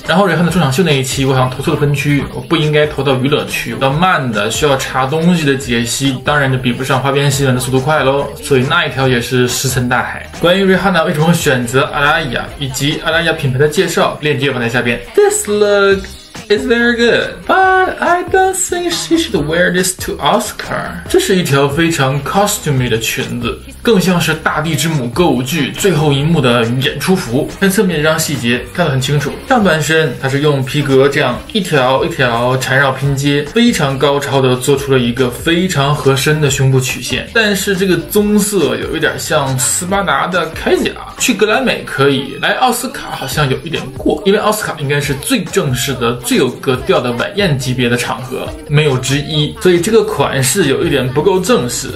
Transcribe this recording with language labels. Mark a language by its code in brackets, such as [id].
[zh] 然后 Rihanna 中场秀那一期，我想投错了分区，我不应该投到娱乐区，我要慢的需要查东西的解析，当然就比不上花边新闻的速度快咯，所以那一条也是石沉大海。关于 Rihanna 为什么选择阿拉亚以及阿拉亚品牌的介绍，链接放在下边。 [en] This look is very good, but I don't think she should wear this to Oscar. [zh] 这是一条非常 costumey 的裙子，更像是大地之母歌舞剧最后一幕的演出服。看侧面这张细节看得很清楚，上半身它是用皮革这样一条一条缠绕拼接，非常高超的做出了一个非常合身的胸部曲线，但是这个棕色有一点像斯巴达的铠甲，去格莱美可以，来奥斯卡好像有一点过，因为奥斯卡应该是最正式的最有格调的晚宴级别的场合，没有之一，所以这个款式有一点不够正式。